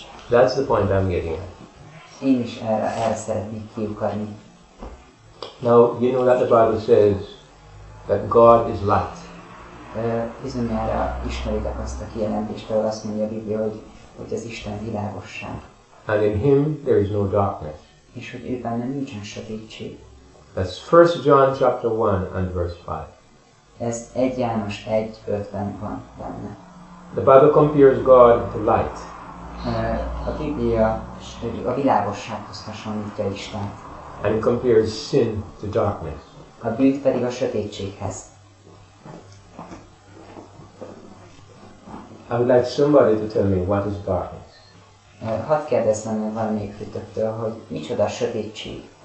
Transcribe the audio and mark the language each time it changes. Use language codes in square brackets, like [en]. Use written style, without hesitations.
[en] That's the point I'm getting. [hu] Én is erre szeretnék kiukadni. [en] Now you know that the Bible says that God is light. [hu] Bizonyára ismeritek azt a kijelentést, ahol azt mondja a Biblia, hogy az Isten világosság. [en] And in him there is no darkness. [hu] És hogy ő benne nincsen sötétség. [en] That's 1 John chapter 1 and verse 5. [hu] Ez 1 János 1:5-ben van benne. [en] The Bible compares God to light. [hu] A Biblia a világossághoz hasonlítja Istent. [en] And it compares sin to darkness. [hu] A bűnt pedig a sötétséghez. [en] I would like somebody to tell me what is darkness. [hu] Hadd kérdezzem meg valamelyik titektől, hogy micsoda a sötétség.